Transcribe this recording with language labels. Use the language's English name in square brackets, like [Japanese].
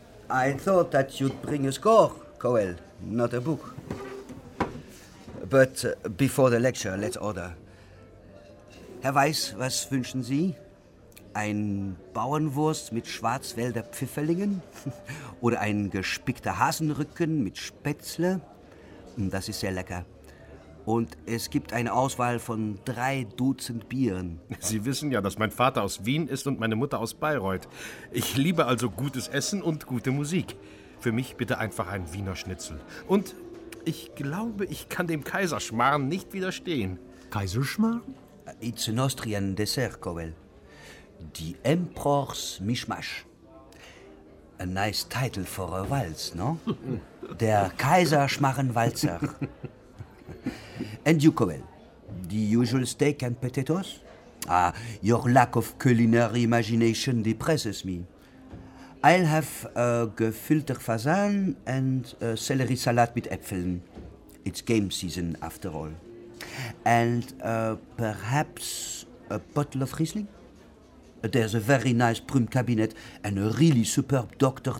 [English] I thought that you'd bring a score, Cowell, not a book. But before the lecture, let's order. [German] Herr Weiß, was wünschen Sie? Ein Bauernwurst mit Schwarzwälder Pfifferlingen? Oder ein gespickter Hasenrücken mit Spätzle? Das ist sehr lecker. Und es gibt eine Auswahl von 3 Dutzend Bieren. Sie wissen ja, dass mein Vater aus Wien ist und meine Mutter aus Bayreuth. Ich liebe also gutes Essen und gute Musik. Für mich bitte einfach ein Wiener Schnitzel. Und ich glaube, ich kann dem Kaiserschmarrn nicht widerstehen. Kaiserschmarrn? [English] It's an Austrian dessert, Cowell. Die Emperor's Mischmasch. A nice title for a waltz, no? Der Kaiserschmarrn-Walzer. And you, Cowell? The usual steak and potatoes? Ah, your lack of culinary imagination depresses me. I'll have a gefüllter Fasan and a celery salad mit Äpfeln. It's game season, after all. And perhaps a bottle of Riesling? There's a very nice Prüm cabinet and a really superb Dr.